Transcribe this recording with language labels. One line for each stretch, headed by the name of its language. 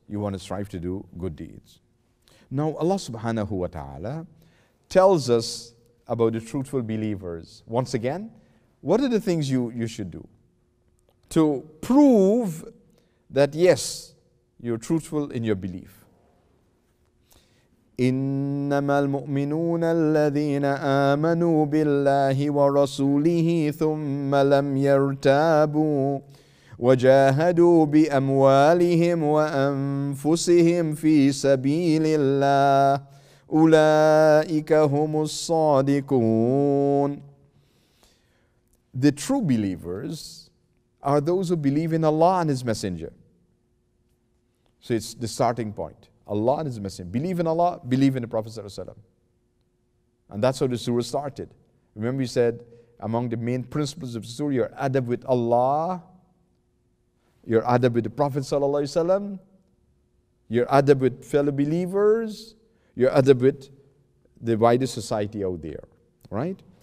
English: You want to strive to do good deeds. Now, Allah subhanahu wa ta'ala tells us about the truthful believers. Once again, what are the things you should do to prove that yes, you're truthful in your belief?
Arabic: إنما المؤمنون الذين آمنوا بالله ورسوله ثم لم يرتابوا وجاهدوا بأموالهم وأنفسهم في سبيل الله أولئك هم الصادقون.
English: The true believers are those who believe in Allah and His Messenger. So it's the starting point. Allah and His Messenger. Believe in Allah, believe in the Prophet ﷺ. And that's how the surah started. Remember we said, among the main principles of the surah, your adab with Allah, your adab with the Prophet ﷺ, your adab with fellow believers, your adab with the wider society out there. Right?